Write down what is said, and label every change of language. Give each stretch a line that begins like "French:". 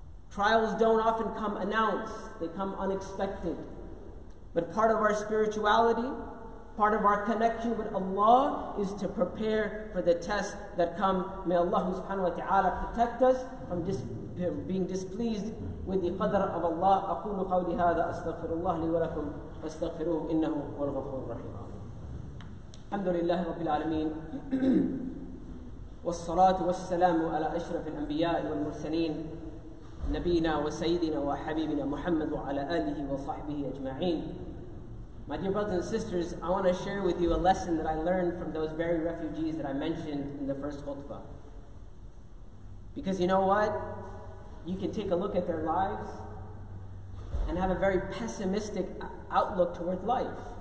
English: Trials don't often come announced. They come unexpected. But part of our spirituality, part of our connection with Allah, is to prepare for the tests that come. May Allah subhanahu wa ta'ala protect us from being displeased with the qadr of Allah.
Arabic: أقول قولي هذا أستغفر الله لي ولكم أستغفروه إنه هو الغفور الرحيم. الحمد لله رب العالمين والصلاة والسلام على أشرف الأنبياء والمرسلين نبينا وسيدنا وحبيبنا محمد وعلى آله وصحبه أجمعين.
English: My dear brothers and sisters, I want to share with you a lesson that I learned from those very refugees that I mentioned in the first khutbah. Because you know what? You can take a look at their lives and have a very pessimistic outlook toward life.